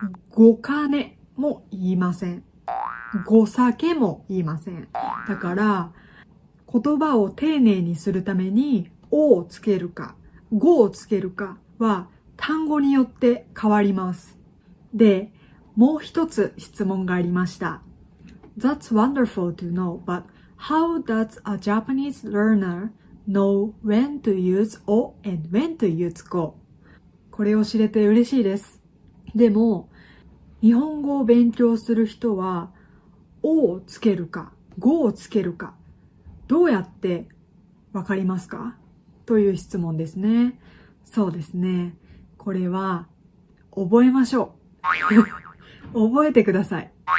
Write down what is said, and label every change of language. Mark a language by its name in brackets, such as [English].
[Japanese] ご金も言いません。ご酒も言いません。だから、言葉を丁寧にするために、をつけるか、語をつけるかは単語によって変わります。で、もう一つ質問がありました。 [English] That's wonderful to know, but how does a Japanese learner know when to use o and when to use go? [Japanese] これを知れて嬉しいです。でも、日本語を勉強する人は、o をつけるか、go をつけるか、どうやってわかりますか？という質問ですね。そうですね。これは、覚えましょう。覚えてください。